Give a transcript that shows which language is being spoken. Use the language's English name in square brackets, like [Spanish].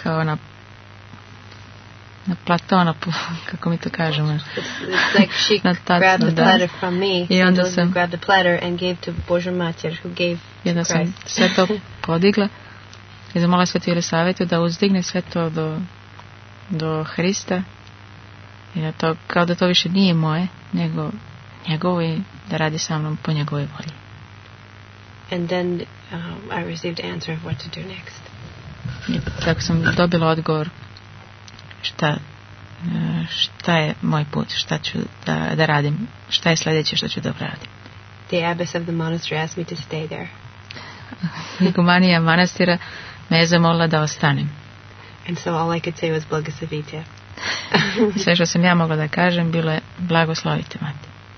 [Serbian] kao na platona kako mi to kažemo. [English] It's like she [Serbian] na tacno, [English] grabbed the platter da. From me [Serbian] i onda sam [English] grabbed the platter and gave to Božja Mater who gave [Serbian] jedna [English] to Christ. [Serbian] Sam sve to podigla i zamola Svetu Jelisavetu da uzdigne sve to do Hrista i da to, kao da to više nije moje nego njegovo i da radi sa mnom po njegovoj volji. [English] And then I received answer of what to do next. [Serbian] I tako sam dobila odgovor šta je moj put, šta ću da radim, šta je sljedeće što ću da radim. [English] The abbess of the monastery asked me to stay there. [Serbian] Igumanija manastira me je zamolila da ostanem. [English] And so all I could say was blagosavite. [Serbian] Sve što sam ja mogla da kažem bilo je blagoslovite mati.